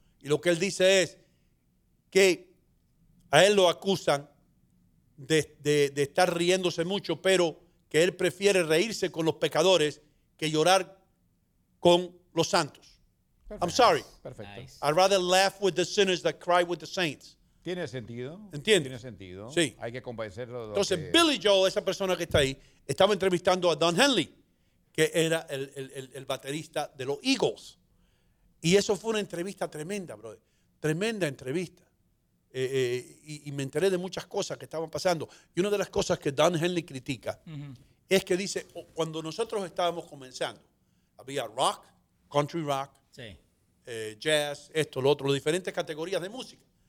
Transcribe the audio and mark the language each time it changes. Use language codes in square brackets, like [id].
[es] Y lo que él dice es que a él lo acusan de estar riéndose mucho, pero que él prefiere reírse con los pecadores que llorar con los santos. Perfecto. [en] I'm sorry. [es] Perfecto. [en] I'd rather laugh with the sinners than cry with the saints. [es] Tiene sentido. ¿Entiendes? Tiene sentido. Sí. Hay que compadecerlo. Entonces, Billy Joel, esa persona que está ahí, estaba entrevistando a Don Henley, que era el baterista de los Eagles. Y eso fue una entrevista tremenda, brother. Tremenda entrevista. Y me enteré de muchas cosas que estaban pasando. Y una de las cosas que Don Henley critica es que dice, cuando nosotros estábamos comenzando, había rock, country rock, jazz, esto, lo otro, diferentes categorías de música.